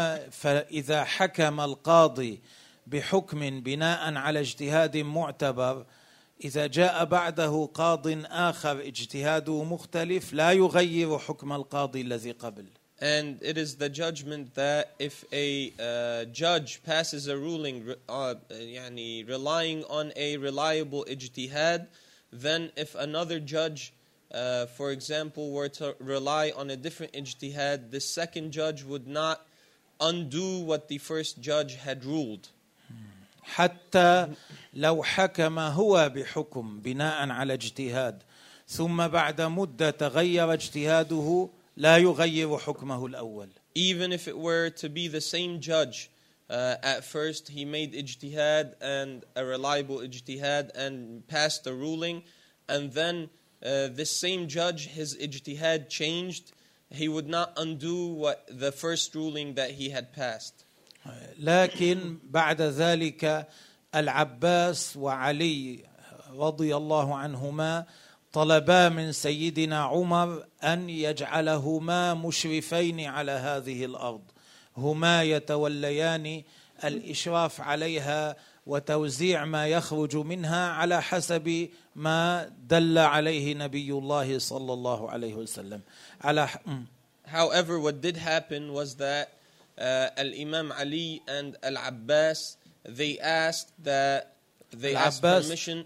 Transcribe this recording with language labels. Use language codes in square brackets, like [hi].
[ar] فإذا حكم القاضي بحكم بناء على اجتهاد معتبر, إذا جاء بعده قاض آخر اجتهاده مختلف لا يغير حكم القاضي الذي قبل. [en] And it is the judgment that if a judge passes a ruling relying on a reliable ijtihad, then if another judge, for example, were to rely on a different ijtihad, the second judge would not undo what the first judge had ruled. [ar] حتى لو حكم هو بحكم بناء على اجتهاد ثم بعد مدة تغير اجتهاده لا يغير حكمه الأول. [en] Even if it were to be the same judge, at first he made ijtihad and a reliable ijtihad and passed a ruling, and then this same judge, his ijtihad changed, he would not undo what the first ruling that he had passed. [ar] لكن بعد ذلك العباس وعلي رضي الله عنهما طلبا من سيدنا عمر أن يجعلهما مشرفين على هذه الأرض, هما يتوليان الإشراف عليها وتوزيع ما يخرج منها على حسب ما دل عليه نبي الله صلى الله عليه وسلم على [en] However, what did happen was that Al-Imam Ali and Al-Abbas, they asked that they asked permission.